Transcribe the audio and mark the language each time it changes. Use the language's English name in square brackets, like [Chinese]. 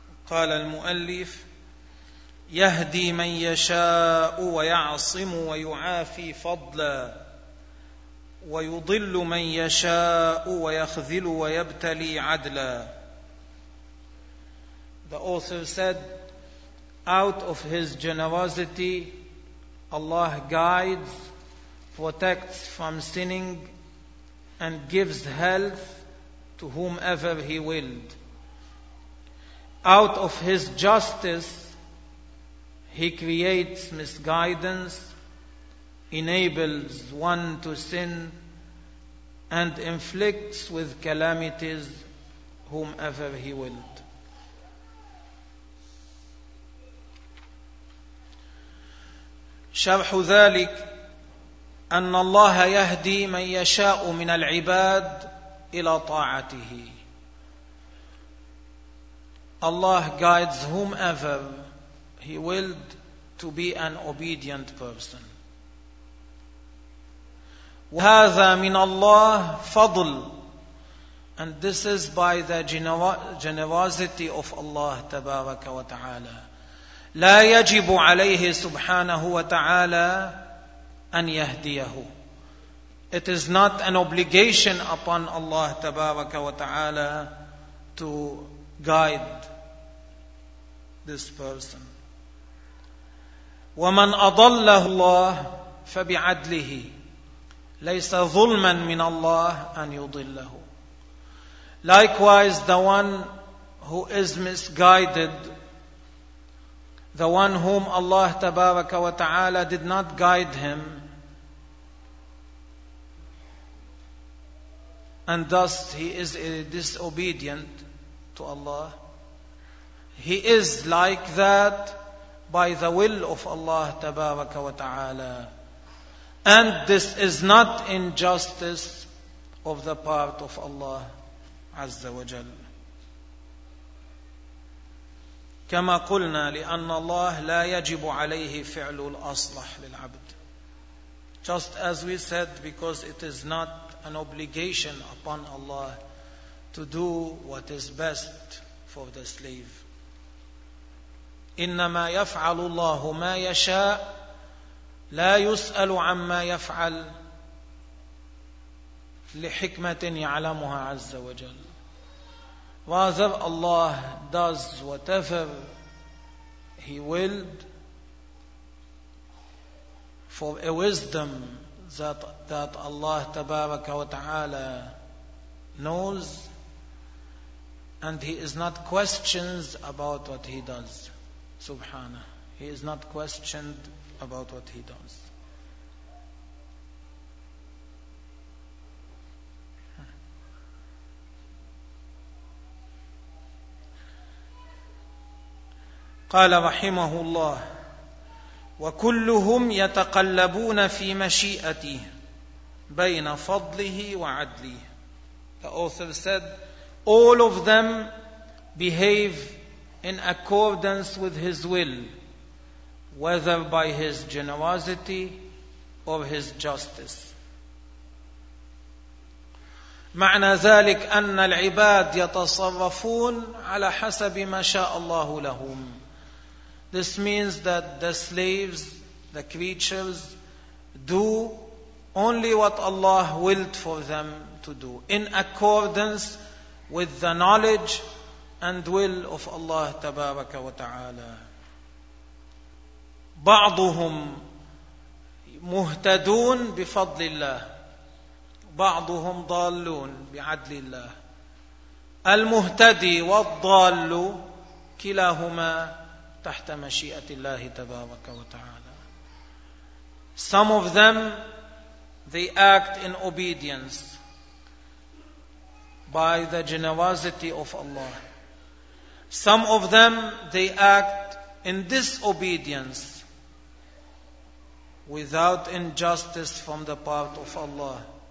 [Arabic] قال المؤلف يهدي من يشاء ويعصم ويعافي فضلا ويضل من يشاء ويخذل ويبتلي عدلا. [English] The author said, out of his generosity Allah guides, protects from sinning, and gives health to whomever he willed. Out of his justice, he creates misguidance, enables one to sin, and inflicts with calamities whomever he willed. [Arabic] شرح ذلك أن الله يهدي من يشاء من العباد إلى طاعته. [English] Allah guides whomever He willed to be an obedient person. [Arabic] وهذا من الله فضل. [English] And this is by the generosity of Allah [Arabic] تبارك وتعالى. لا يجب عليه سبحانه وتعالى أن يهديه. [English] It is not an obligation upon Allah [Arabic] تبارك وتعالى [English] to guide this person. [Arabic] ومن أضله الله فبعدله. ليس ظلما من الله أن يضله. [English] Likewise, the one who is misguided, the one whom Allah [Arabic] تبارك وتعالى [English] did not guide him, and thus he is disobedient to Allah, he is like that by the will of Allah تبارك وتعالى. And this is not injustice of the part of Allah [Arabic] عز وجل. كما قلنا لأن الله لا يجب عليه فعل الأصلح للعبد. [English] Just as we said, because it is not an obligation upon Allah to do what is best for the slave. [Arabic] إنما يفعل الله ما يشاء لا يسأل عما يفعل لحكمة يعلمها عز وجل. [English] Rather, Allah does whatever He willed for a wisdom that Allah [Arabic] تبارك وتعالى [English] knows, and He is not questioned about what He does. Subhanah. He is not questioned about what he does. [Arabic] قال رحمه الله وكلهم يتقلبون في مشيئته بين فضله وعدله. [English] The author said, all of them behave in accordance with his will, whether by his generosity or his justice. [Arabic] معنى ذلك أن العباد يتصرفون على حسب ما شاء الله لهم. [English] This means that the slaves, the creatures, do only what Allah willed for them to do, in accordance with the knowledge and will of Allah [Arabic] تبارك وتعالى. بعضهم مهتدون بفضل الله بعضهم ضالون بعدل الله. المهتدي والضال كلاهما تحت مشيئة الله تبارك وتعالى. [English] Some of them, they act in obedience by the generosity of Allah, Some of them, they act in disobedience without injustice from the part of Allah.